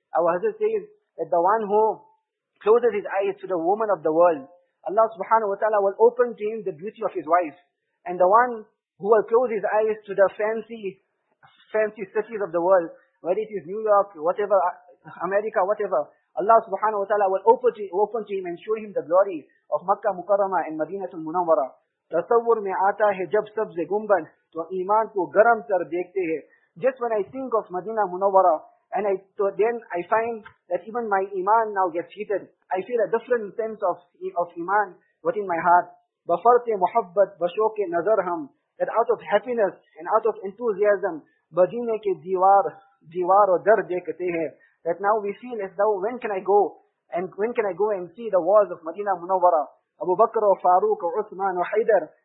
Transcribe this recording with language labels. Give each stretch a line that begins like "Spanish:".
English: Our Hazrat says that the one who closes his eyes to the woman of the world, Allah subhanahu wa ta'ala will open to him the beauty of his wife. And the one who will close his eyes to the fancy cities of the world, whether it is New York, whatever, America, whatever, Allah subhanahu wa ta'ala will open to him and show him the glory of Makkah Mukarrama and Madinatul Munawwara.
Urdu: تصور میں آتا ہے جب سبز گنبد تو ایمان کو گرم تر دیکھتے ہیں.
English: Just when I think of Madinah Munawwara, and I find that even my iman now gets heated, I feel a different sense of iman within my heart.
Urdu: بفرتِ محبت بشوقِ نظر ہم,
English: that out of happiness and out of enthusiasm,
Urdu: بدینے کے دیوار و در دیکھتے ہیں,
English: that now we feel as though, when can I go and see the walls of Madinah Munawwara. Abu Bakr, Farooq, Uthman, Haydar,